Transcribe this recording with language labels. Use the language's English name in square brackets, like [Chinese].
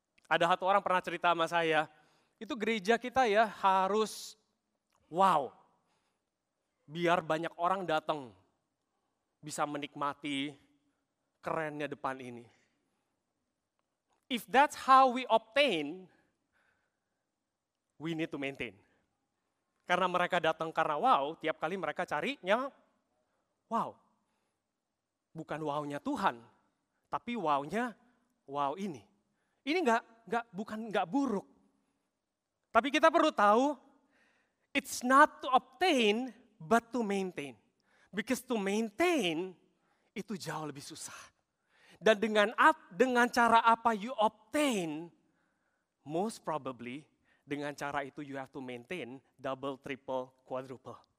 [Indonesian] Ada satu orang pernah cerita sama saya, itu gereja kita ya harus wow, biar banyak orang datang bisa menikmati kerennya depan ini. [English] If that's how we obtain, we need to maintain. [Indonesian] Karena mereka datang karena wow, tiap kali mereka carinya wow. Bukan wow-nya Tuhan, tapi wow-nya wow ini. Ini enggak buruk. Tapi kita perlu tahu, [English] it's not to obtain, but to maintain. Because to maintain, [Indonesian] itu jauh lebih susah. Dan dengan cara apa [English] you obtain, most probably [Indonesian] dengan cara itu [English] you have to maintain double, triple, quadruple.